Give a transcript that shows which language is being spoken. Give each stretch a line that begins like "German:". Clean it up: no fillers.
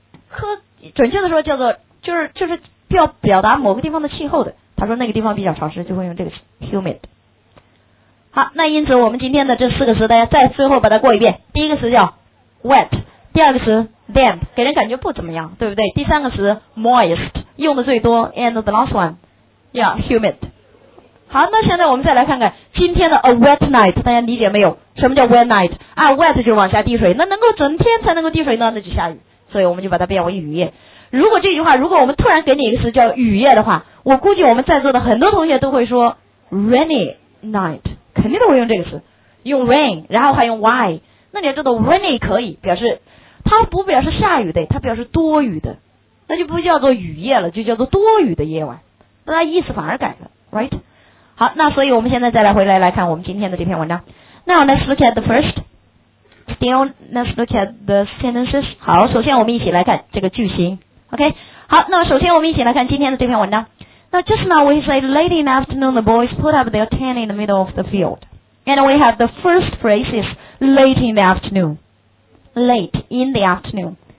Chinese: 科准确的说叫做就是要表达某个地方的气候的，他说那个地方比较潮湿就会用这个词 humid。好，那因此我们今天的这四个词大家再最后把它过一遍。第一个词叫 wet， 第二个词 damp， 给人感觉不怎么样，对不对？第三个词 moist， 用的最多，
English: and the last one yeah humid。
Chinese: 好，那现在我们再来看看今天的 a wet night， 大家理解没有什么叫 wet night？啊， wet 就是往下滴水，那能够整天才能够滴水呢，那就下雨，所以我们就把它变为雨夜。如果这句话如果我们突然给你一个词叫雨夜的话，我估计我们在座的很多同学都会说 rainy night， 肯定都会用这个词，用 rain， 然后还用 why。那你要知道 rainy 可以表示，它不表示下雨的，它表示多雨的，那就不叫做雨夜了，就叫做多雨的夜晚，那它意思反而改了， right？好，那所以我们现在再来回来来看我们今天的这篇文章。
English: Now let's look at the first. Still, let's look at the sentences.
Chinese: 好，首先我们一起来看这个句型。OK， 好，那首先我们一起来看今天的这篇文章。
English: Now just now we say late in the afternoon the boys put up their tent in the middle of the field. And we have the first phrase is late in the afternoon. Late in the afternoon.